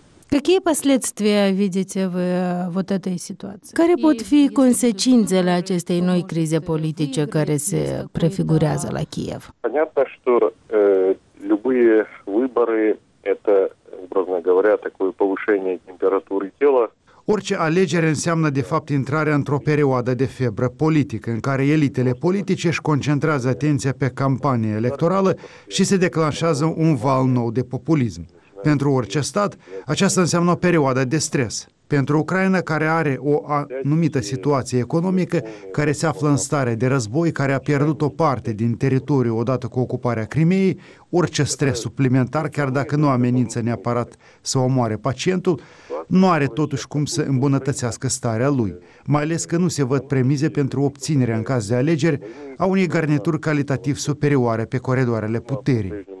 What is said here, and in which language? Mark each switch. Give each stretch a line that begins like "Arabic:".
Russian: Какие последствия видите вы вот этой ситуации?
Romanian: Care pot fi consecințele acestei noi crize politice care se prefigurează la Kiev?
Russian: Понятно, что любые выборы это, образно говоря, такое повышение температуры тела.
Romanian: Orice alegere înseamnă, de fapt, intrarea într-o perioadă de febră politică, în care elitele politice își concentrează atenția pe campania electorală și se declanșează un val nou de populism. Pentru orice stat, aceasta înseamnă o perioadă de stres. Pentru Ucraina, care are o anumită situație economică, care se află în stare de război, care a pierdut o parte din teritoriu odată cu ocuparea Crimeei, orice stres suplimentar, chiar dacă nu amenință neapărat să omoare pacientul, nu are totuși cum să îmbunătățească starea lui, mai ales că nu se văd premize pentru obținerea în caz de alegeri a unei garnituri calitativ superioare pe coridoarele puterii.